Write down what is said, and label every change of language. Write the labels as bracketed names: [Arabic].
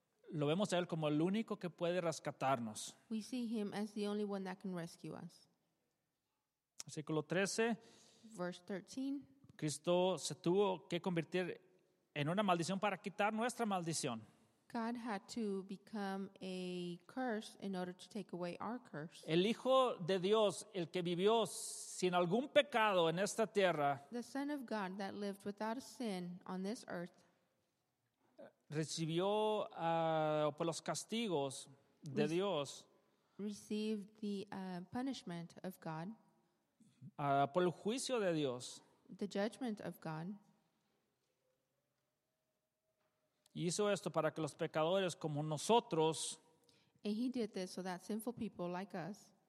[Spanish] Lo vemos a Él como el único que puede rescatarnos. [English] We see him as the only one that can rescue us. [Spanish] Versículo 13. [English] Verse 13. [Spanish] Cristo se tuvo que convertir en una maldición para quitar nuestra maldición. [English] God had to become a curse in order to take away our curse. [Spanish] El Hijo de Dios, el que vivió sin algún pecado en esta tierra. [English] The Son of God that lived without a sin on this earth. [Spanish] Recibió por los castigos de Dios. [English] Received the punishment of God. [Spanish] Por el juicio de Dios. [English] The judgment of God. [Spanish] Y hizo esto para que los pecadores como nosotros. [English] And he did this so that sinful people like us.